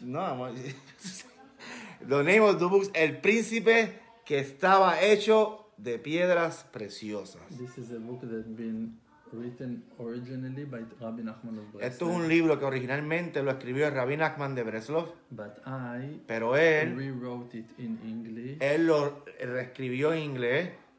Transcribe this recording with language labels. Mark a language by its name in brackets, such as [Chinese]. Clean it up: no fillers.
[English] No, the name of the book is El Príncipe que estaba hecho de piedras preciosas. This is a book that been written originally by Rabbi Nachman of Breslov. [Spanish] Esto es un libro que originalmente lo escribió el Rabbi Nachman de Breslov. [English] But I. [Spanish] Pero él. [English] Rewrote it in English. [Spanish] Él lo reescribió en inglés.